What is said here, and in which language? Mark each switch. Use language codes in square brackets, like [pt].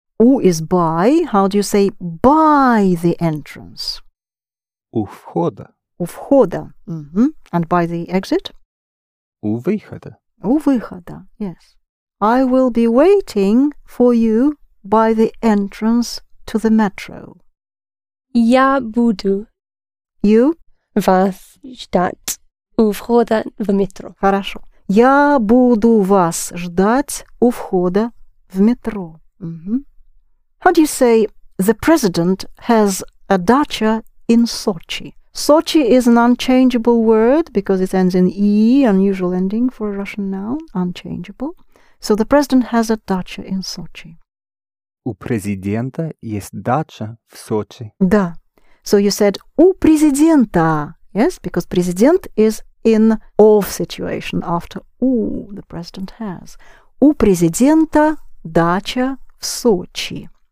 [en] У is by. How do you say by the entrance? [ru] У входа. У входа. [en] Mm-hmm. And by the exit? [ru] У выхода. У выхода, yes. [en] I will be waiting for you by the entrance to the metro. [ru] Я буду. [en] You? [ru] Вас ждать у входа в метро. Хорошо. Я буду вас ждать у входа в метро. [en] Mm-hmm. How do you say the president has a dacha in Sochi? Sochi is an unchangeable word because it ends in E, unusual ending for a Russian noun, unchangeable. So the president has a dacha in Sochi. [ru] У президента есть дача в Сочи. [en] Да. So you said [ru] у президента. [en] Yes, because president is in of situation after у, the president has. [ru] У президента дача в Сочи.